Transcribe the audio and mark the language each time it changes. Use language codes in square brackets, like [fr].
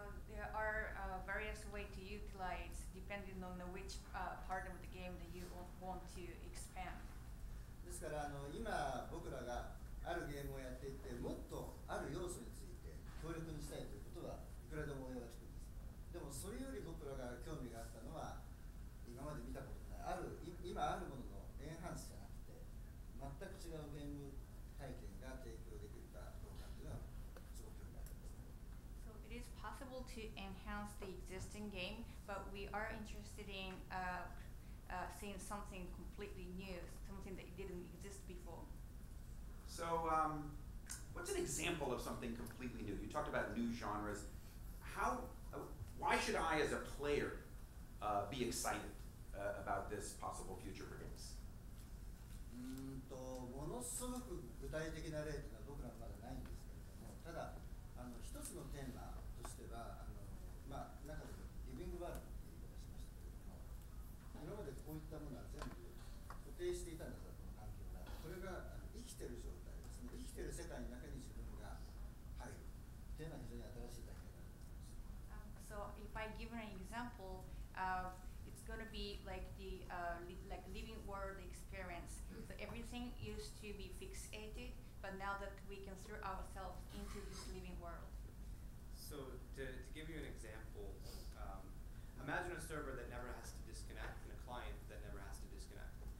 [en] There are various ways to utilize depending on the which part of the game that you want to expand. [ja] ですから、あの、今僕らが、あるゲームをやっていって、もっとある要素について強力にしたいということはいくらでも思いはつくんです。でもそれより僕らが興味があったのは、今まで見たことない、ある今あるもののエンハンスじゃなくて、全く違うゲーム体験が提供できるかどうかというのはすごく興味があります。 [en] So it is possible to enhance the existing game, but we are interested in seeing something completely new, something that didn't exist before. So, what's an example of something completely new? You talked about new genres. How, why should I, as a player, be excited about this possible future for games? [ja] ものすごく具体的な例というのは僕らはまだないんですけれども、ただ、一つのテーマとしては、中でもリビングワールドって言い方しましたけれども、今までこういったものは全部固定していたんだぞ、この環境が。これが生きている状態。生きている世界の中に自分が入るというのは非常に新しい体験だと思います。 [en] So if I give an example, it's going to be like the like living world experience. So everything used to be fixated, but now that we can throw ourselves into this living world. So to give you an example, imagine a server that never has to disconnect and a client that never has to disconnect.